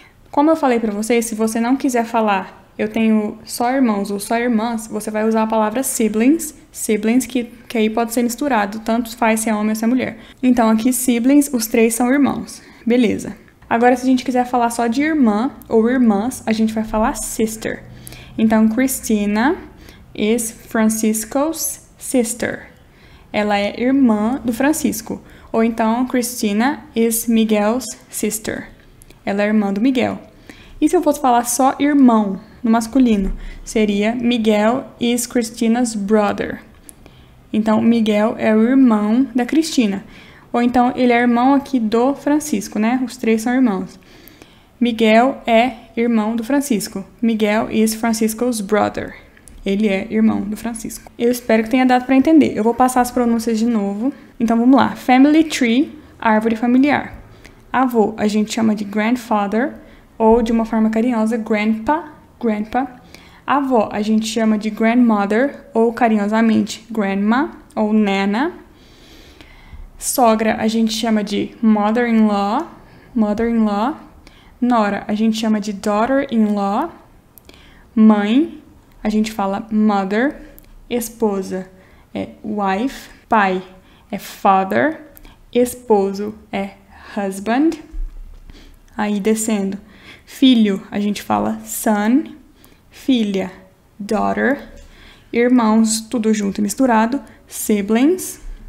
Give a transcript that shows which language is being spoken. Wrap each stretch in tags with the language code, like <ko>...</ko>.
<pt>Como eu falei pra vocês, se você não quiser falar eu tenho só irmãos ou só irmãs, você vai usar a palavra siblings, siblings, que aí pode ser misturado, tanto faz se é homem ou se é mulher. Então aqui siblings, os três são irmãos, beleza. Agora se a gente quiser falar só de irmã ou irmãs, a gente vai falar sister.</pt> <en>Então Christina is Francisco's sister.</en> <pt>Ela é irmã do Francisco. Ou então,</pt> <en>Christina is Miguel's sister.</en> <pt>Ela é irmã do Miguel. E se eu fosse falar só irmão, no masculino?</pt> <en>Seria Miguel is Christina's brother.</en> <pt>Então, Miguel é o irmão da Cristina. Ou então, ele é irmão aqui do Francisco, né? Os três são irmãos. Miguel é irmão do Francisco.</pt> <en>Miguel is Francisco's brother.</en> <pt>Ele é irmão do Francisco. Eu espero que tenha dado para entender. Eu vou passar as pronúncias de novo. Então, vamos lá. Family tree, árvore familiar. Avô, a gente chama de grandfather, ou de uma forma carinhosa, grandpa, grandpa. Avó, a gente chama de grandmother, ou carinhosamente, grandma, ou nana. Sogra, a gente chama de mother-in-law, mother-in-law. Nora, a gente chama de daughter-in-law. Mãe, a gente fala mother, esposa é wife, pai é father, esposo é husband. Aí descendo, filho, a gente fala son, filha, daughter, irmãos, tudo junto e misturado, siblings.</pt>